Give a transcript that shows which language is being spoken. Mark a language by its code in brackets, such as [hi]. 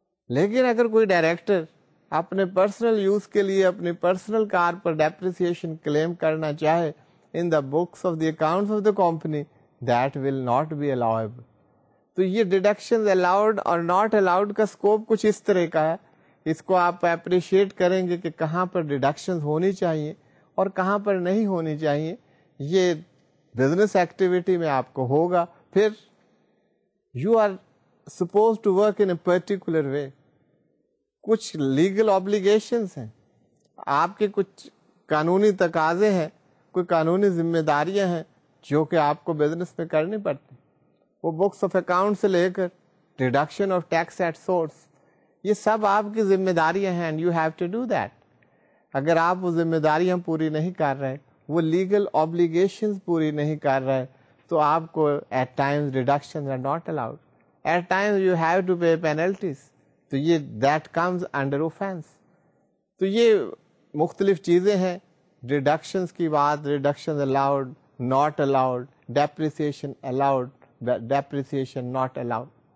[hi] लेकिन अगर कोई डायरेक्टर अपने पर्सनल यूज के लिए अपनी पर्सनल कार पर डेप्रिसिएशन क्लेम करना चाहे [en] In the books of the accounts of the company, that will not be allowable. [hi] तो ये डिडक्शंस अलाउड और नॉट अलाउड का स्कोप कुछ इस तरह का है. इसको आप अप्रिशिएट करेंगे कि कहाँ पर डिडक्शंस होनी चाहिए और कहाँ पर नहीं होनी चाहिए. ये बिजनेस एक्टिविटी में आपको होगा. [en] फिर You are supposed to work in a particular way. [hi] कुछ legal obligations हैं, आपके कुछ कानूनी तकाजे हैं, कोई कानूनी जिम्मेदारियां हैं जो कि आपको business में करनी पड़ती. वो books of account से लेकर deduction of tax at source, ये सब आपकी जिम्मेदारियां हैं, [en] and you have to do that. [hi] अगर आप वो जिम्मेदारियां पूरी नहीं कर रहे, वो legal obligations पूरी नहीं कर रहे, तो आपको [en] At times reduction are not allowed, at times you have to pay penalties. [hi] तो ये [en] That comes under offence. [hi] तो ये मुख्तलिफ चीजें हैं, रिडक्शन की बात, reduction allowed not allowed, depreciation allowed depreciation not allowed.